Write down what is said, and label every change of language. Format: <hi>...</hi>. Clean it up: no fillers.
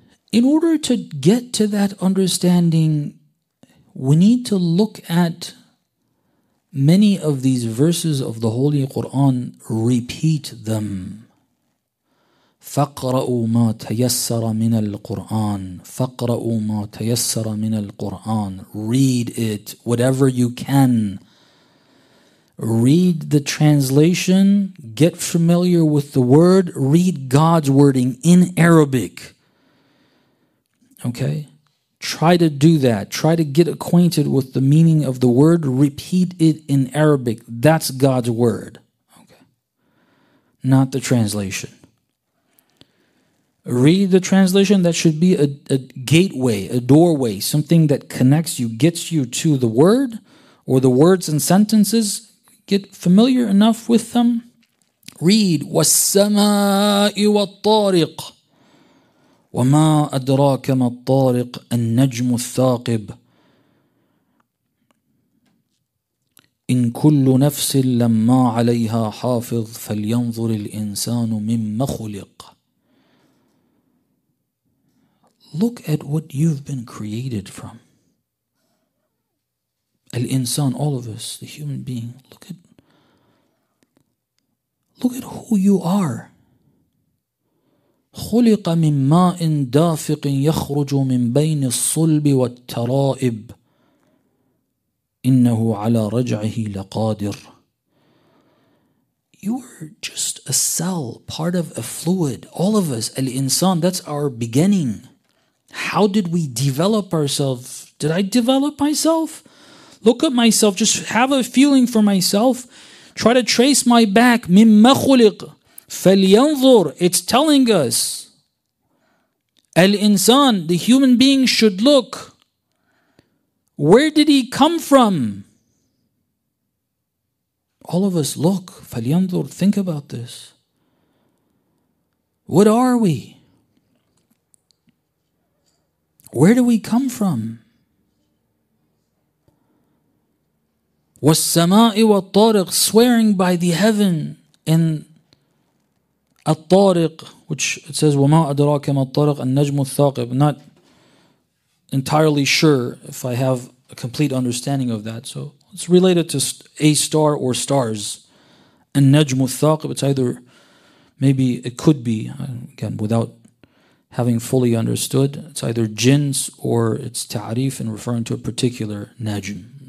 <en>In order to get to that understanding, we need to look at many of these verses of the Holy Quran, repeat them.</en> <ar>فَقْرَأُوا مَا تَيَسَّرَ مِنَ الْقُرْآنِ فَقْرَأُوا مَا تَيَسَّرَ مِنَ الْقُرْآنِ</ar> <en>Read it, whatever you can. Read the translation, get familiar with the word, read God's wording in Arabic. Okay? Try to do that. Try to get acquainted with the meaning of the word. Repeat it in Arabic. That's God's word. Okay. Not the translation. Read the translation. That should be a gateway, a doorway, something that connects you, gets you to the word or the words and sentences. Get familiar enough with them. Read.</en> <ar>وَالسَّمَاءِ وَالطَّارِقِ وَمَا أَدْرَاكَ مَا الطَّارِقِ النَّجْمُ الثَّاقِبِ إِن كُلُّ نَفْسٍ لَمَّا عَلَيْهَا حَافِظ فَلْيَنْظُرِ الْإِنسَانُ مِمَّ خُلِقِ</ar> <en>Look at what you've been created from. Al-insan, all of us, the human being, look at who you are.</en> <ar>خلق من ماء دافق يخرج من بين الصلب والترائب إنه على رجعه لقادر.</ar> <en>You are just a cell, part of a fluid. All of us, al-insan, that's our beginning. How did we develop ourselves? Did I develop myself? Look at myself, just have a feeling for myself. Try to trace my back.</en> <ar>من ما خلق فلينظر.</ar> <en>It's telling us. Al-insan, the human being should look. Where did he come from? All of us look. فلينظر. Think about this. What are we? Where do we come from?</en> <ar>وَالسَّمَاءِ وَالطَّارِقِ</ar> <en>Swearing by the heaven in</en> <ar>الطَّارِقِ,</ar> <en>which it says</en> <ar>وَمَا أَدْرَاكَ مَا الطَّارِقِ النَّجْمُ الثَّاقِبِ.</ar> <en>Not entirely sure if I have a complete understanding of that. So it's related to a star or stars.</en> <ar>النَّجْمُ الثَّاقِبِ,</ar> <en>it's either, maybe it could be, again without having fully understood, it's either jinns or it's ta'rif and referring to a particular najm.</en>